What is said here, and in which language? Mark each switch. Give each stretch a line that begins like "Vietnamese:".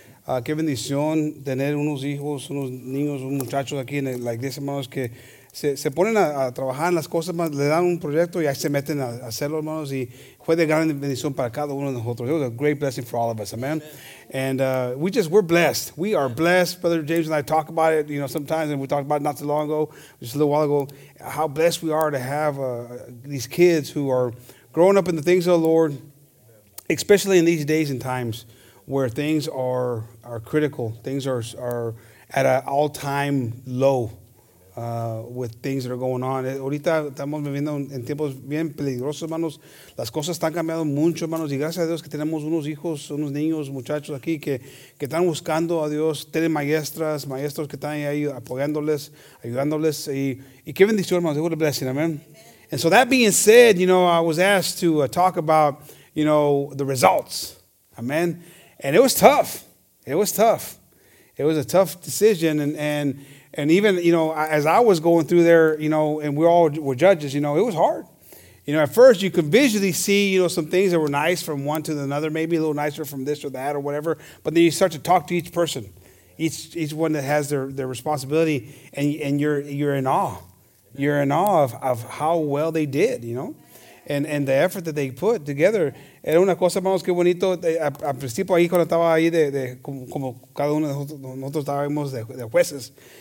Spanish: Qué bendición tener unos hijos, unos niños, un muchacho aquí en la iglesia, hermanos, que se ponen a trabajar en las cosas, hermanos, le dan un proyecto y ahí se meten a hacerlo, hermanos, y fue de gran bendición para cada uno de nosotros.
English: It was a great blessing for all of us, amen. And we're blessed. We are blessed. Brother James and I talk about it, you know, sometimes, and we talked about it not too long ago, just a little while ago, how blessed we are to have these kids who are growing up in the things of the Lord, especially in these days and times where things are critical. Things are at an all-time low with things that are going on.
Spanish: Ahorita estamos viviendo en tiempos bien peligrosos, hermanos. Las cosas están cambiando mucho, hermanos, y gracias a Dios que tenemos unos hijos, unos niños, muchachos aquí que están buscando a Dios. Tienen maestras, maestros que están ahí apoyándoles, ayudándoles. Y qué bendición, hermanos.
English: What a blessing, amen. And so that being said, you know, I was asked to talk about, you know, the results. Amen. And it was tough. It was tough. It was a tough decision. And even, you know, as I was going through there, you know, and we all were judges, you know, it was hard. You know, at first you could visually see, you know, some things that were nice from one to another, maybe a little nicer from this or that or whatever. But then you start to talk to each person, each one that has their responsibility, and you're in awe. You're in awe of how well they did, you know, and the effort that they put together.
Spanish: Era una cosa, hermanos, que bonito. Al principio ahí cuando estaba ahí de como cada uno de nosotros estábamos de jueces.